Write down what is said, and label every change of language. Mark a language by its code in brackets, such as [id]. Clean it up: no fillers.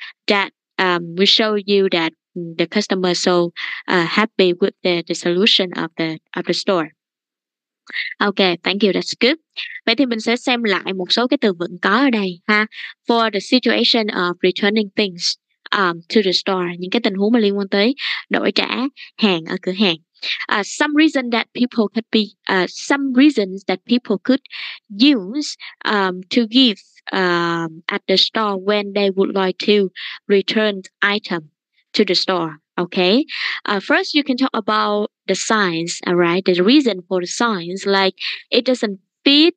[en] That will show you that the customer so happy with the solution of the store. Okay, thank you, that's good. [vi] Vậy thì mình sẽ xem lại một số cái từ vựng có ở đây ha. [en] For the situation of returning things to the store, [vi] những cái tình huống mà liên quan tới đổi trả hàng ở cửa hàng. [en] Some reasons that people could use to give at the store when they would like to return item to the store. Okay. First, you can talk about the signs. All right. The reason for the signs, like it doesn't fit.